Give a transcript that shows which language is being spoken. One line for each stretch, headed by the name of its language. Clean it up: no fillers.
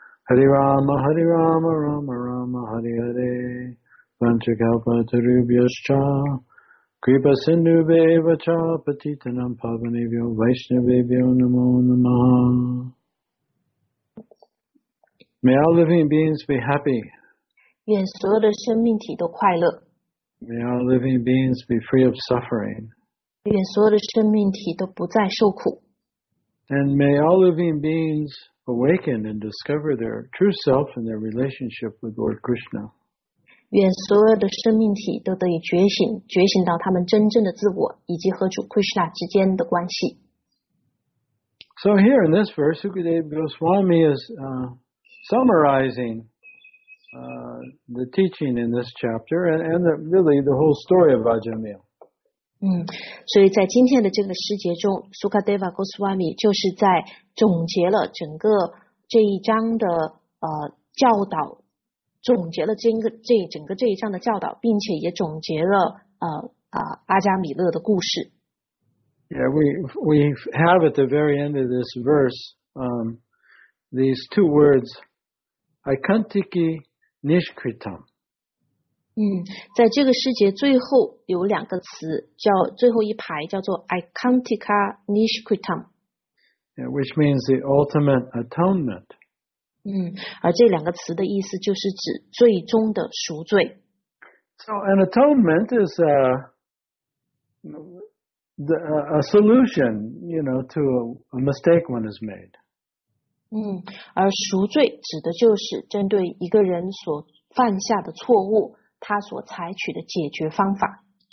Sanskrit: Hare Rama Hare Rama Rama Rama Hare Hare Vanta Kalpa Tarubhyascha Kripa Sindhubheva Cha Patitanam Pavanevyo Vaishnavevyo Namo Namaha.
English: May all living beings be happy.
Chinese: 愿所有的生命体都快乐。
English: May all living beings be free of suffering.
Chinese: 愿所有的生命体都不再受苦。
English: And may all living beings awaken and discover their true self and their relationship with Lord Krishna.
Chinese: 愿所有的生命体都得以觉醒，觉醒到他们真正的自我以及和主 Krishna 之间的关系。
English: So here in this verse, Sukadeva Goswami is summarizing the teaching in this chapter and the, really the whole story of Ajamil.
Chinese: 所以在今天的这个时节中 ,Sukadeva Goswami 就是在总结了整个这一章的教导，总结了整个这一章的教导，并且也总结了阿加米勒的故事。
English: Yeah, we have at the very end of this verse, these two words,Aikantiki Nishkritam.
Chinese: 在这个世界最后有两个词，叫最后一排叫做 Aikantika Nishkritam.
English: Yeah, which means the ultimate atonement.
Chinese: 而这两个词的意思就是指最终的赎罪。
English: So an atonement is a solution, you know, to a mistake one has made.
Chinese: 而赎罪指的就是针对一个人所犯下的错误，他所采取的解决方法。